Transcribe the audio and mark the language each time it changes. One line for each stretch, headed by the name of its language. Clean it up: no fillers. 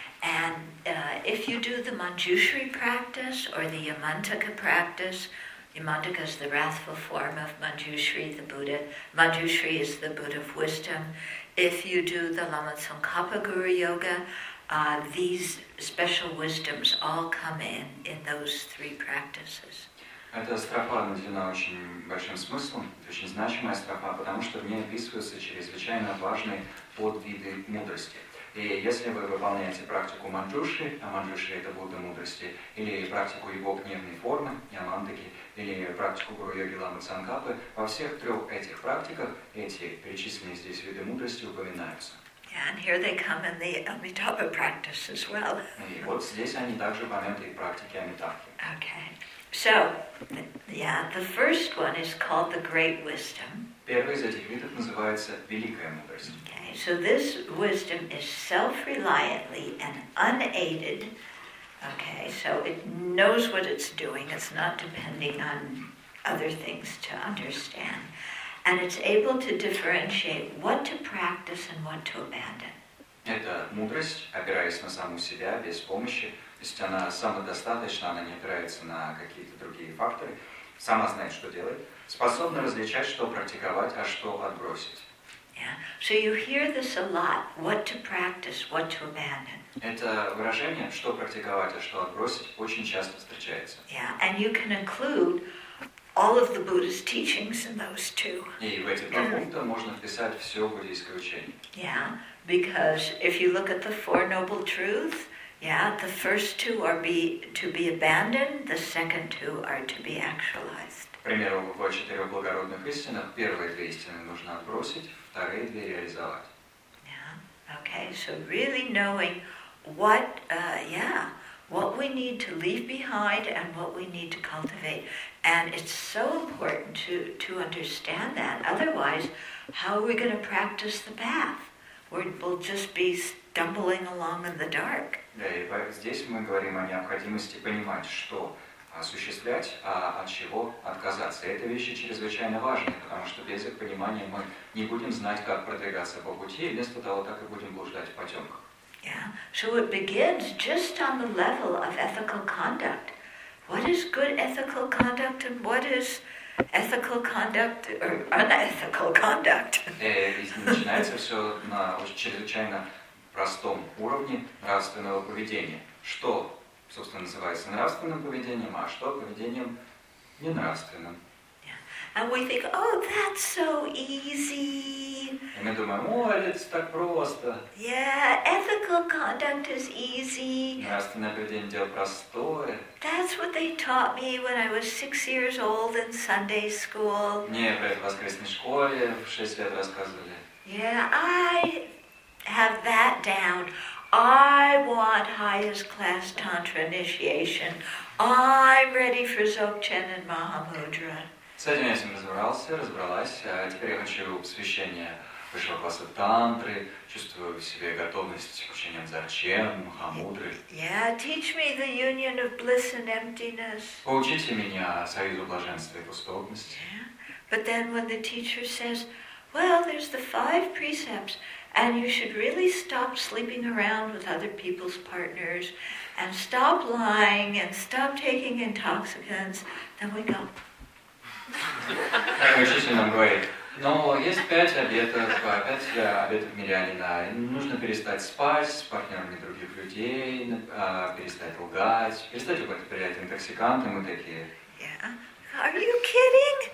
English: And if you do the Manjushri practice or the Yamantaka practice, Yamantaka is the wrathful form of Manjushri, the Buddha. Manjushri is the Buddha of wisdom. If you do the Lama Tsongkhapa Guru Yoga, these special wisdoms all come in those three practices.
Russian: Эта строфа наделена очень большим смыслом, очень значимая строфа, потому что в ней описываются чрезвычайно важные подвиды мудрости. И если вы выполняете практику манджуши, а манджуши это Будда мудрости, или практику его гневной формы, ямандаки, или практику гуру йоги ламы цангапы, во всех трех этих практиках эти перечисленные здесь виды мудрости упоминаются.
English: Yeah, and here they come in the Amitabha practice as well.
Russian: И вот здесь они также упомянуты в практике Амитабхи.
English: Okay. So, yeah, the first one is called the Great Wisdom.
Russian: Первый из этих видов называется Великая Мудрость.
English: Okay, so this wisdom is self-reliantly and unaided. Okay, so it knows what it's doing. It's not depending on other things to understand. And it's able to differentiate what to practice and what to abandon.
Russian: Это мудрость, опираясь на саму себя, без помощи. То есть она самодостаточна, она не опирается на какие-то другие факторы, сама знает, что делать, способна различать, что практиковать, а что отбросить.
English: Yeah. So you hear this a lot, what to practice, what to abandon.
Russian: Это выражение, что практиковать, а что отбросить, очень часто встречается.
English: Yeah. And you can include all of the Buddha's teachings in those two.
Russian: И в эти два пункта можно вписать все буддийское учение.
English: Yeah, because if you look at the Four Noble Truths, yeah, the first two are to be abandoned, the second two are to be actualized.
Russian: К примеру, в четырех благородных истинах первые две истины нужно отбросить, вторые две реализовать.
English: Yeah. Okay. So really knowing what, what we need to leave behind and what we need to cultivate, and it's so important to understand that. Otherwise, how are we going to practice the path? We'll just be stumbling along in the dark.
Russian: Да, и здесь мы говорим о необходимости понимать, что осуществлять, а от чего отказаться. Это вещи чрезвычайно важные, потому что без их понимания мы не будем знать, как продвигаться по пути, и вместо того так и будем блуждать в потемках.
English: Yeah. So it begins just on the level of ethical conduct. What is good ethical conduct and what is ethical conduct or unethical conduct?
Russian: Начинается все на чрезвычайно простом уровне нравственного поведения. Что, собственно, называется нравственным поведением, а что поведением ненравственным.
English: Yeah. And we think, oh, that's so easy.
Russian: И мы думаем, о, это так просто.
English: Yeah, ethical conduct is easy.
Russian: Нравственное поведение – дело простое.
English: That's what they taught me when I was 6 years old in Sunday school.
Russian: Не, про это в воскресной школе в 6 лет рассказывали.
English: Yeah, I have that down. I want highest class tantra initiation. I'm ready for Dzogchen and Mahamudra.
Russian: С этим я разобрался, разобралась. Теперь я хочу посвящение высшего класса тантры. Чувствую в себе готовность к учениям Дзогчен, Махамудры.
English: Yeah, teach me the union of bliss and emptiness.
Russian: Поучите меня союзу блаженства и пустотности.
English: But then when the teacher says, well, there's the 5 precepts, and you should really stop sleeping around with other people's partners, and stop lying, and stop taking intoxicants. Then we go.
Russian: Так учитель нам говорит, но есть 5 обетов Мирянина. Нужно перестать спать с партнерами других людей, перестать лгать, перестать употреблять интоксиканты, мы такие.
English: Yeah. Are you kidding?